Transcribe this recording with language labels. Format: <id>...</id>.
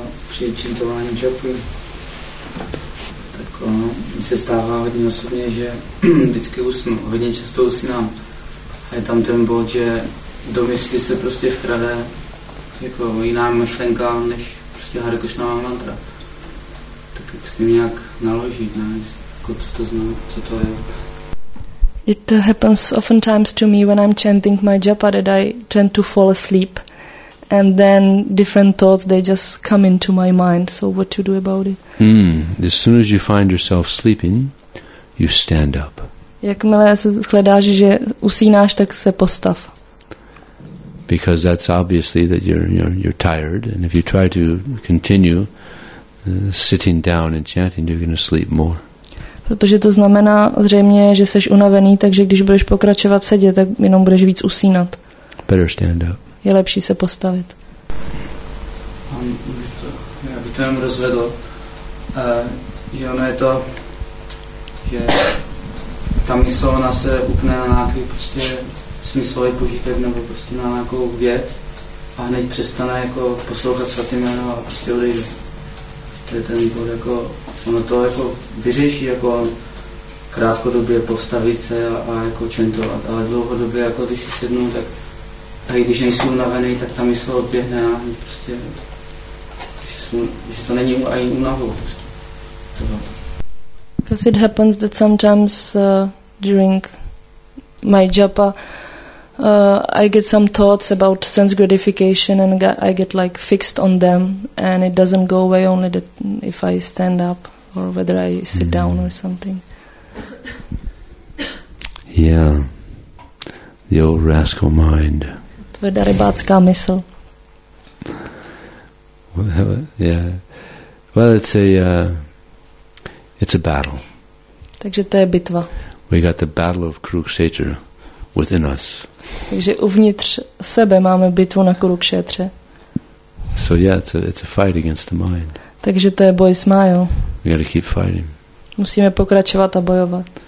<cs>Při čintování džapy, tak mi se stává hodně osobně, že vždycky usnu, hodně často usínám. A je tam ten bod, že do mysli se prostě vkrade jako jiná myšlenka, než prostě Hare Krishna mantra. Tak jak s tím nějak naložit, ne? Jako, co to znamená, co to je?</cs> <en>It happens oftentimes to me when I'm chanting my japa that I tend to fall asleep. And then different thoughts, they just come into my mind. So what to do about it? As soon as you find yourself sleeping, you stand up.</en> <cs>Jakmile se shledáš, že usínáš, tak se postav.</cs> <en>Because that's obviously that you're tired. And if you try to continue sitting down and chanting, you're going to sleep more.</en> <cs>Protože to znamená zřejmě, že seš unavený, takže když budeš pokračovat sedět, tak jenom budeš víc usínat.</cs> <en>Better stand up.</en> <cs>Je lepší se postavit. Já bych to jenom rozvedl, že ono je to, že ta mysl, ona se upne na nějaký prostě smyslový požitek nebo prostě na nějakou věc a hned přestane jako poslouchat svatý jméno a prostě odejde. To je ten bod, jako, ono to jako vyřeší jako krátkodobě postavit se a jako čentovat, ale dlouhodobě, jako když si sednu, tak a i když nejsou unavený, tak ta mysl odběhne a prostě, že to není ani unavou.</cs> <en>Because it happens that sometimes during my japa, I get some thoughts about sense gratification and I get like fixed on them and it doesn't go away only that if I stand up or whether I sit down or something. Yeah, the old rascal mind.</en> <cs>Tvrdá rybácká mysl.</cs> <en>Well, it's a battle.</en> <cs>Takže to je bitva.</cs> <en>We got the battle of Kurukshetra within us.</en> <cs>Takže uvnitř sebe máme bitvu na Kurukshetře.</cs> <en>So yeah, it's a fight against the mind.</en> <cs>Takže to je boj s Mayou.</cs> <en>We gotta keep fighting.</en> <cs>Musíme pokračovat a bojovat.</cs>